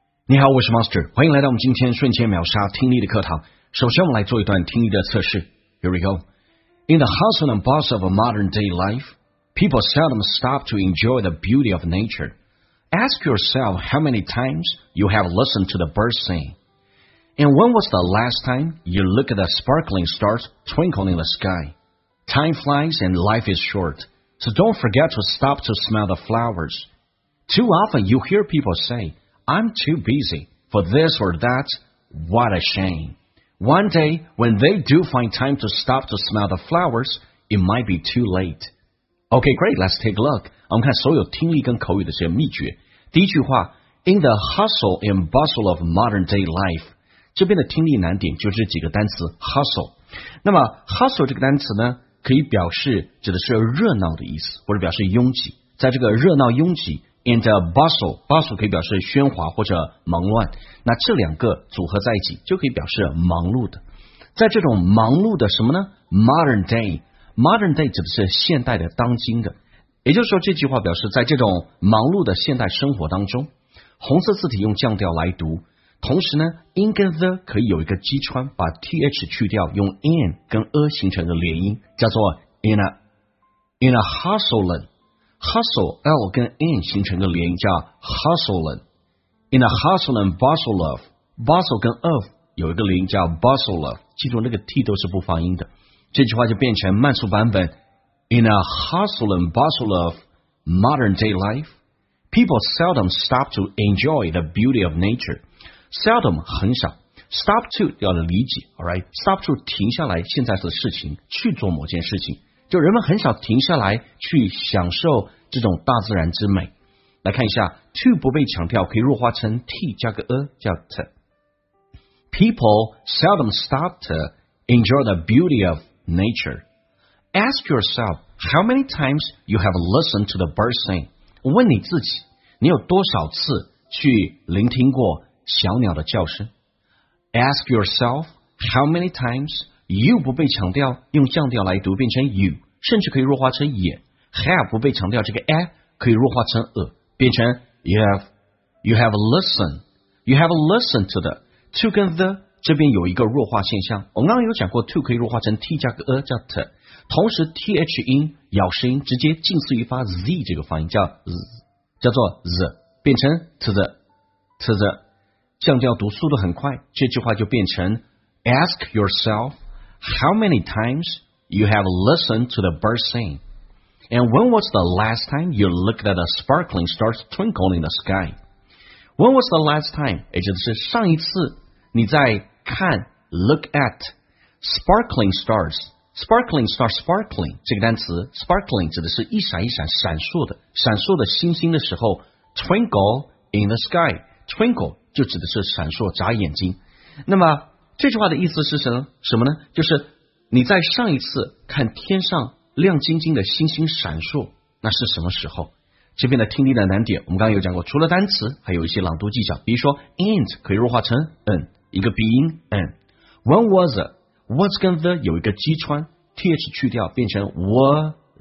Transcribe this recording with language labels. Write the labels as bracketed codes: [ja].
[zh] 你好，我是 Master， 欢迎来到我们今天瞬间秒杀听力的课堂。首先我们来做一段听力的测试。 [en] Here we go. In the hustle and bustle of a modern day life, people seldom stop to enjoy the beauty of nature. Ask yourself how many times you have listened to the birds sing. And when was the last time you looked at the sparkling stars twinkling in the sky? Time flies and life is short, so don't forget to stop to smell the flowers. Too often you hear people say,I'm too busy for this or that. What a shame. One day, when they do find time to stop to smell the flowers, it might be too late. Okay, great. Let's take a look. [zh] 我们看所有听力跟口语的这些秘诀。第一句话 , [en] In the hustle and bustle of modern day life, [zh] 这边的听力难点就是几个单词 hustle。那么 hustle 这个单词呢可以表示指的是热闹的意思或者表示拥挤。在这个热闹拥挤 [en] And a bustle, [zh] bustle 可以表示喧哗或者忙乱。那这两个组合在一起就可以表示忙碌的。在这种忙碌的什么呢 ? [en] Modern day. [zh] Modern day 指的是现代的当今的。也就是说这句话表示在这种忙碌的现代生活当中。红色字体用降调来读。同时呢 ,in 跟 the 可以有一个击穿把 th 去掉用 in 跟 a 形成的连音叫做 [en] in a hustling. [zh] Hustle, L 跟 N 形成个连音叫 hustling. [en] In a hustling bustle of, [zh] bustle 跟 of 有一个连音叫 [en] bustle of, [zh] 记住那个 T 都是不发音的。这句话就变成慢速版本。 In a hustling bustle of modern day life, people seldom stop to enjoy the beauty of nature. [en] Seldom [zh] 很少。 [en] Stop to [zh] 要理解 [en] ,alright? [zh] Stop to 停下来现在的事情去做某件事情。就人们很少停下来去享受这种大自然之美。来看一下 ,to 不被强调可以弱化成 t 加个 a 叫 t。 [en] People seldom stop to enjoy the beauty of nature. Ask yourself how many times you have listened to the birds sing. [zh] 问你自己你有多少次去聆听过小鸟的叫声。 [en] Ask yourself how many times You [zh] 不被强调用降调来读变成 [en] you 甚至可以弱化成 ye Have 不被强调这个 a 可以弱化成 a 变成 You have listened to the To 跟 the [zh] 这边有一个弱化现象我们刚刚有讲过 [en] To 可以弱化成 t 加个 a 叫 t [zh] 同时 th 音咬舌音直接近似于发 z 这个发音叫 z 叫做 z 变成 to the 降调读速度很快这句话就变成 [en] Ask yourselfHow many times you have listened to the birds sing? And when was the last time you looked at the sparkling stars twinkling in the sky? When was the last time? [zh] 也就是上一次你在看 [en] look at sparkling stars. [zh] Sparkling star, sparkling, 这个单词 sparkling 指的是一闪一闪闪烁的闪烁的星星的时候 [en] twinkle in the sky. [zh] Twinkle 就指的是闪烁眨眼睛。那么这句话的意思是什么呢就是你在上一次看天上亮晶晶的星星闪烁那是什么时候这边的听力的难点我们刚刚有讲过除了单词还有一些朗读技巧比如说 and 可以弱化成 an 一个鼻音 an when was it was 跟 the 有一个击穿 th 去掉变成 was